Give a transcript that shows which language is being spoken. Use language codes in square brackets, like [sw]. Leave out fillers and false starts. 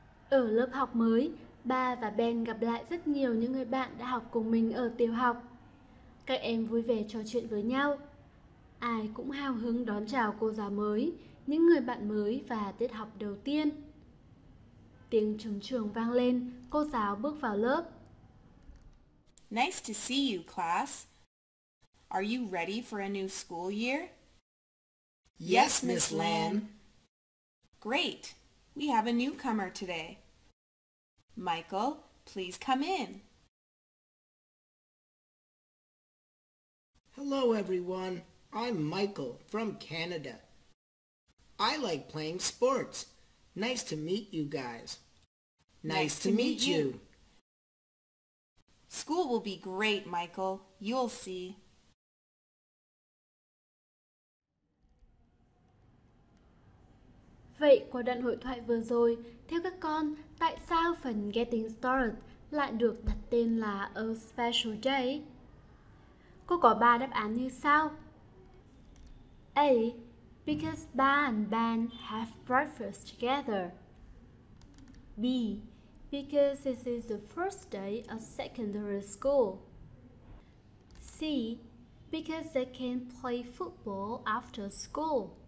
[vi] Ở lớp học mới, Ba và Ben gặp lại rất nhiều những người bạn đã học cùng mình ở tiểu học. Các em vui vẻ trò chuyện với nhau. Ai cũng hào hứng đón chào cô giáo mới, những người bạn mới và tiết học đầu tiên. Tiếng trống trường vang lên, cô giáo bước vào lớp. [en] Nice to see you, class. Are you ready for a new school year? Yes, Miss Lam. Great. We have a newcomer today. Michael, please come in. Hello, everyone. I'm Michael from Canada. I like playing sports. Nice to meet you guys. Nice to meet you. School will be great, Michael. You'll see. [vi] Vậy qua đoạn hội thoại vừa rồi, theo các con, tại sao phần Getting Started lại được đặt tên là A Special Day? Cô có 3 đáp án như sau. A. [en] Because Ba and Ben have breakfast together. B. Because this is the first day of secondary school. C. Because they can play football after school.